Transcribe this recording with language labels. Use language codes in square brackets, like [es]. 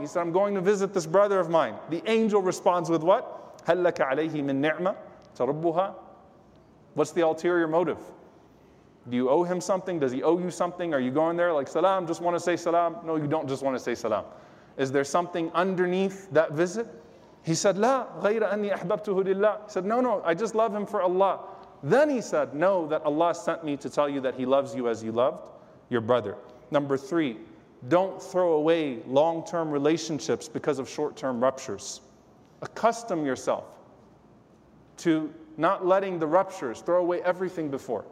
[en] He said, "I'm going to visit this brother of mine." The angel responds with what? [ar] هَلَّكَ عَلَيْهِ مِن نِعْمَةً تَرُبُّهَا. [en] What's the ulterior motive? Do you owe him something? Does he owe you something? Are you going there like, "Salam, just want to say salam"? No, you don't just want to say salam. Is there something underneath that visit? He said, [ar] "La, غير أني أحببته لله." [en] He said, no, I just love him for Allah. Then he said, "No, that Allah sent me to tell you that he loves you as you loved your brother." Number three, don't throw away long-term relationships because of short-term ruptures. Accustom yourself to not letting the ruptures throw away everything before.